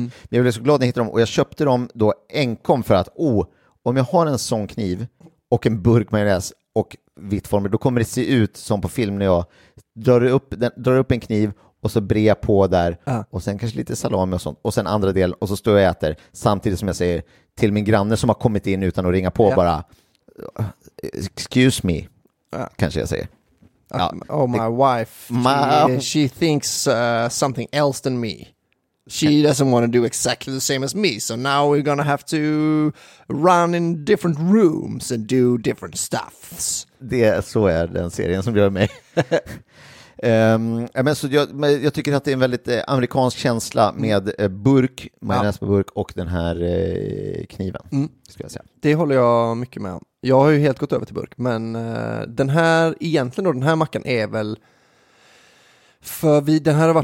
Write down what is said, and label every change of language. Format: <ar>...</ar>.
<sv>Men jag blev så glad när jag hittade dem. Och jag köpte dem då enkom för att om jag har en sån kniv och en burk majonnäs och vitt former, då kommer det se ut som på film när jag drar upp en kniv och så brer jag på där. Och sen kanske lite salami och sånt. Och sen andra del. Och så står jag och äter samtidigt som jag säger till min granne som har kommit in utan att ringa på bara</sv> <en>excuse me</en> <sv>kanske jag säger.</sv> <en>My wife, she thinks something else than me. She doesn't want to do exactly the same as me. So now we're going to have to run in different rooms and do different stuff.</en> <sv>Det är så är den serien som gör mig. Jag tycker att det är en väldigt amerikansk känsla med burk, majonnäs på burk och den här kniven, ska jag säga. Det håller jag mycket med om. Jag har ju helt gått över till burk, men den här, egentligen då, den här mackan är väl för vi, den här har varit</sv>